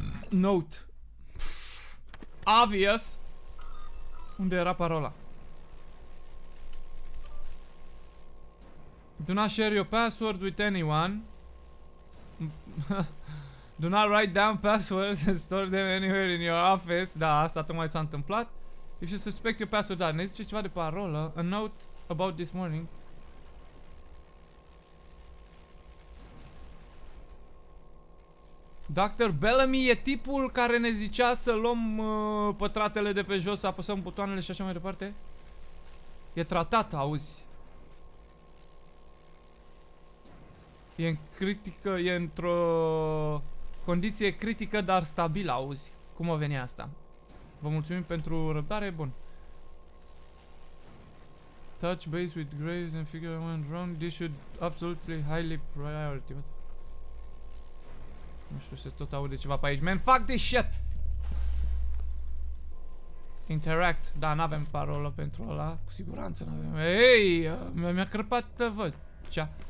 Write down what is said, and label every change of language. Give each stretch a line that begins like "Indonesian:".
English: Note. Obvious.
Romanian: Unde era parola?
English: Do not share your password with anyone. Do not write down passwords and store them anywhere in your office.
Romanian: Da, asta tocmai s-a întâmplat.
English: If you suspect your password,
Romanian: da, ne zice ceva de parolă.
English: A note about this morning.
Romanian: Dr. Bellamy e tipul care ne zicea să luăm pătratele de pe jos, să apăsăm butoanele și așa mai departe. E tratat, auzi. E în critică, e într-o... condiție critică, dar stabilă, auzi. Cum a venit asta? Vă mulțumim pentru răbdare, bun.
English: Touch base with Graves and figure out what went wrong. This should absolutely highly priority.
Romanian: Nu știu, se tot aude ceva pe aici.
English: Man, fuck this shit! Interact.
Romanian: Da, n-avem parolă pentru ăla. Cu siguranță n-avem. Hey, mi-a crăpat vocea.